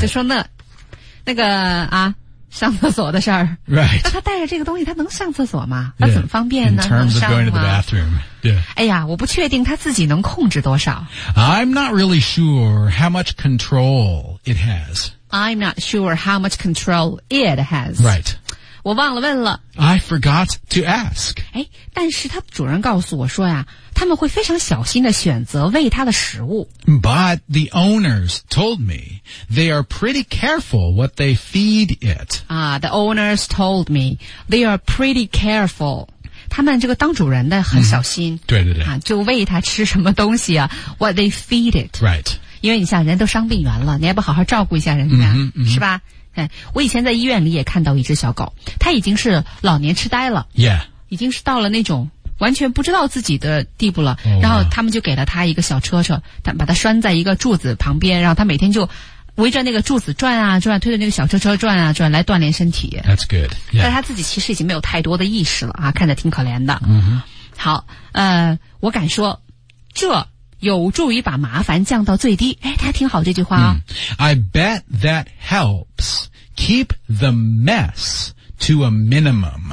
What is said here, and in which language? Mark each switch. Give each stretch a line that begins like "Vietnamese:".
Chinese: 就说那个啊上厕所的事儿
English: ，right？
Chinese: 那他带着这个东西，他能上厕所吗？他、
English: yeah,
Chinese: 怎么方便呢
English: ？In terms of going to the bathroom， 对、yeah.。
Chinese: 哎呀，我不确定他自己能控制多少。
English: I'm not really sure how much control it has. I'm not sure how much control it has. Right。
Chinese: 我忘了问了。
English: I forgot to ask。
Chinese: 哎，但是他主人告诉我说呀，他们会非常小心的选择喂他的食物。
English: But the owners told me they are pretty careful what they feed it. The owners told me they are pretty careful.
Chinese: 他们这个当主人的很小心。 Mm, 对对对。啊，就喂他吃什么东西啊 ？
English: What they feed it. Right.
Chinese: 因为你像人都伤病员了，你还不好好照顾一下人家， mm-hmm, mm-hmm. 是吧？我以前在医院里也看到一只小狗它已经是老年痴呆了、
English: yeah.
Chinese: 已经是到了那种完全不知道自己的地步了、
English: oh, wow.
Chinese: 然后他们就给了它一个小车车把它拴在一个柱子旁边然后它每天就围着那个柱子转啊转，推着那个小车车转啊转，来锻炼身体。
English: That's good.、Yeah.
Chinese: 但他自己其实已经没有太多的意识了啊，看着挺可怜的。嗯、mm-hmm. 好，我敢说，这有助于把麻烦降到最低。哎，他挺好这句话啊、哦。Mm.
English: I bet that helps keep the mess to a minimum.